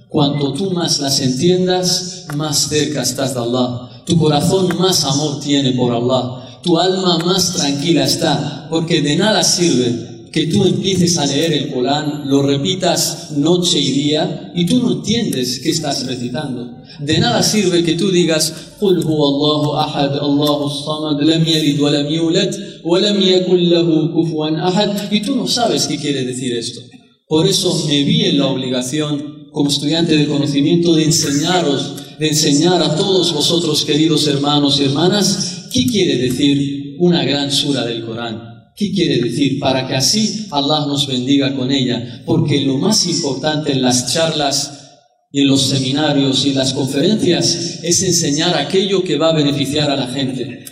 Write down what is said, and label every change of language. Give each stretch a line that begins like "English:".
Spanish: Cuanto tú más las entiendas, más cerca estás de Allah, tu corazón más amor tiene por Allah, tu alma más tranquila está, porque de nada sirve que tú empieces a leer el Corán, lo repitas noche y día, y tú no entiendes qué estás recitando. De nada sirve que tú digas:
Arabic: قُلْ هُوَ اللَّهُ أَحَدْ اللَّهُ الصَّمَدْ لَمْ يَلِدْ وَلَمْ يُولَدْ وَلَمْ يَكُنْ لَهُ كُفُوًا أَحَدْ,
Spanish: y tú no sabes qué quiere decir esto. Por eso me vi en la obligación, como estudiante de conocimiento, de enseñaros de enseñar a todos vosotros, queridos hermanos y hermanas, qué quiere decir una gran sura del Corán. ¿Qué quiere decir? Para que así Allah nos bendiga con ella. Porque lo más importante en las charlas y en los seminarios y las conferencias es enseñar aquello que va a beneficiar a la gente.